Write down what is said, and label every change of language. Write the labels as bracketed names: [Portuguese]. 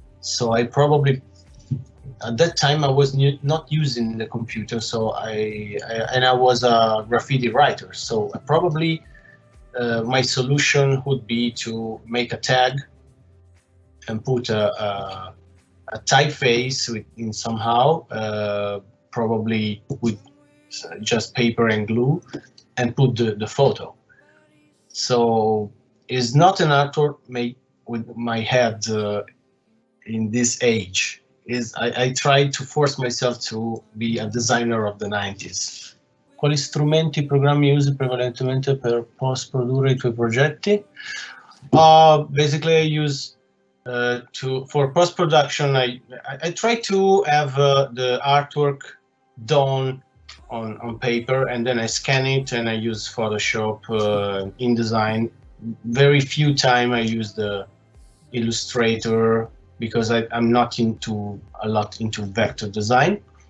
[English] So I probably, at that time I was not using the computer, so I was a graffiti writer, so I probably my solution would be to make a tag and put a typeface in somehow, probably with just paper and glue, and put the photo. So it's not an artwork made with my head in this age. I tried to force myself to be a designer of the 90s. [Italian] Quali strumenti e programmi usi prevalentemente per post produrre I tuoi progetti? [English] Basically, I use for post production. I try to have the artwork done on paper, and then I scan it, and I use Photoshop, InDesign. Very few time I use the Illustrator, because I'm not into vector design.